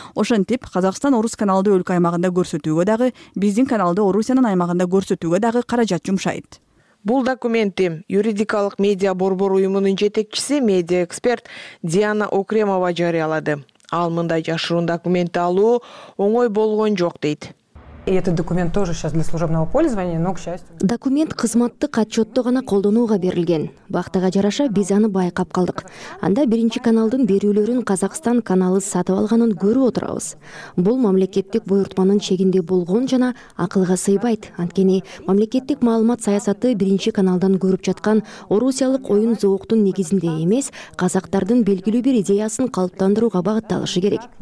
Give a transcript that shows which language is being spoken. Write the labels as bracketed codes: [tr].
[ky] Ошентип, Казакстан орус каналды өлкө аймагында көрсөтүүгө дагы, биздин каналды Орусиянын аймагында көрсөтүүгө дагы каражат жумшайт. Бул документти юридикалык медиа борбор уюмунун жетекчиси, медиа эксперт Диана Окремова жарыялады. Ал мындай жашыруун документти алуу оңой болгон жок дейт. [ru] И этот документ тоже сейчас для служебного пользования, но к счастью. [ky] Документ кызматтык отчетту гана колдонууга берилген. Бактыга жараша биз аны байкап калдык. Анда биринчи каналдын берүүлөрүн Казакстан каналы сатып алганын көрүп отурабыз. Бул мамлекеттик буйрутманын чегинде болгон жана акылга сыйбайт. Анткени мамлекеттик маалымат саясаты биринчи каналдан көрүп жаткан орусиялык оюн зооктун негизинде эмес, казактардын белгилүү бир идеясын калыптандырууга багытталышы керек.